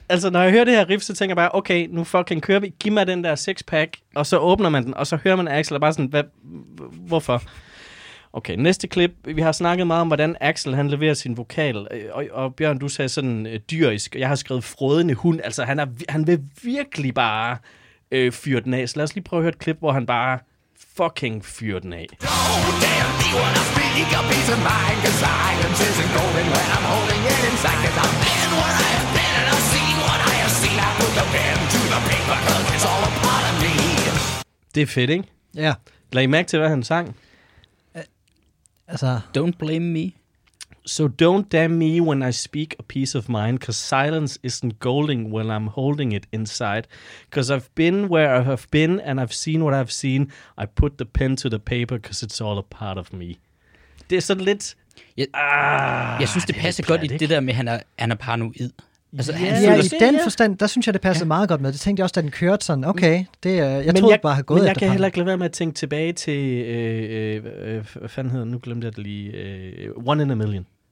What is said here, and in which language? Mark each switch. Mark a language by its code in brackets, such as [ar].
[da] Altså, når jeg hører det her riff, så tænker jeg bare, okay, nu fucking kører vi. Giv mig den der six pack, og så åbner man den, og så hører man Axel, og bare sådan, hvorfor? Okay, næste klip. Vi har snakket meget om, hvordan Axel han leverer sin vokal. Og Bjørn, du sagde sådan dyrisk. Jeg har skrevet frødende hund. Altså, han vil virkelig bare fyre den af. Så lad os lige prøve at høre et klip, hvor han bare fucking fyrer den af. [en] Oh, damn, ego peace of mind, cause silence isn't golden when I'm holding it inside. Cause I've been where I have been and I've seen what I have seen. I put the pen to the paper cause it's all a part of me. [da] Det er fedt, ikke? Ja. Lad I mærke til, hvad han sang? Altså... [en] Don't blame me. So don't damn me when I speak a piece of mine, cause silence isn't golden when I'm holding it inside. Cause I've been where I have been, and I've seen what I've seen. I put the pen to the paper, cause it's all a part of me. [da] Det er sådan lidt... Jeg synes, det passer godt i det der med, at han er paranoid. Altså, yeah. Ja, i den forstand, der synes jeg, det passer meget godt med. Det tænkte jeg også, da den kørte sådan, okay, det, jeg troede bare, at jeg havde gået efter ham. Men jeg kan heller ikke lade være med at tænke tilbage til, hvad fanden hedder, nu glemte jeg det lige, One in a Million.